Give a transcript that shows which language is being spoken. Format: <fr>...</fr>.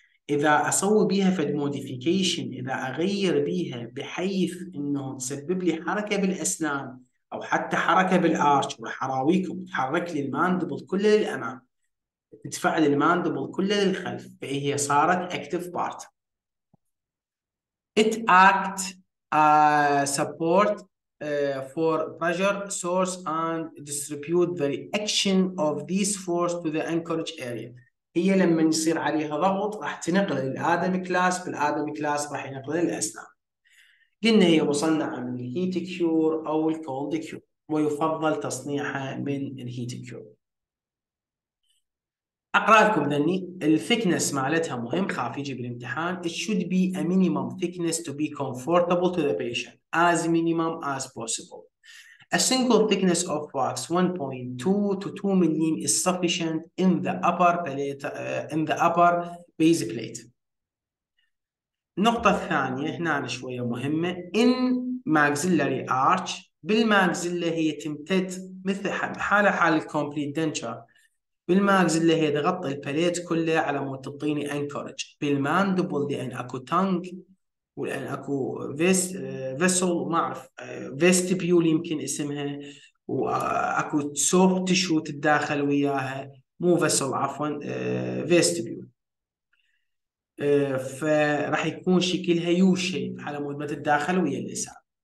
<ar>إذا أسوي بيها فد موديفيكيشن، إذا أغير بيها بحيث إنه تسبب لي حركة بالأسنان أو حتى حركة بالآرش، وراح أراويكم تحرك لي الماندبل كله للأمام، تفعل الماندبل كله للخلف، فهي صارت أكتف بارت.</ar> <en>It act support for pressure source and distribute the reaction of this force to the anchorage area.</en> <ar>هي لما يصير عليها ضغط راح تنقل الادم كلاس، بالادم كلاس راح ينقل الاسنان. قلنا هي مصنعه من الهيت كيور او الكولد كيور، ويفضل تصنيعها من الهيت كيور. اقرا لكم ذني الثيكنس مالتها مهم، خاف يجي بالامتحان.</ar> <en>It should be a minimum thickness to be comfortable to the patient, as minimum as possible. A single thickness of wax 1.2 to 2 mm is sufficient in the upper plate, in the upper base plate.</en> <ar>النقطه الثانيه هنا شويه مهمه.</ar> <en>In maxillary arch،</en> <ar>بالماكسيلا هي تمتد مثل حاله حال الكومبليت دنتشر، بالماكسيلا هي تغطي البليت كله على مود تعطيني انكورج. بالماندبل لان اكو تانج والان اكو فيسل، ما اعرف فيستبيول يمكن اسمها، واكو سوفت تشو تتداخل وياها، مو فيسل عفوا فيستبيول، فراح يكون شكلها يو شيب على مود ما تتداخل ويا اللسان.</ar>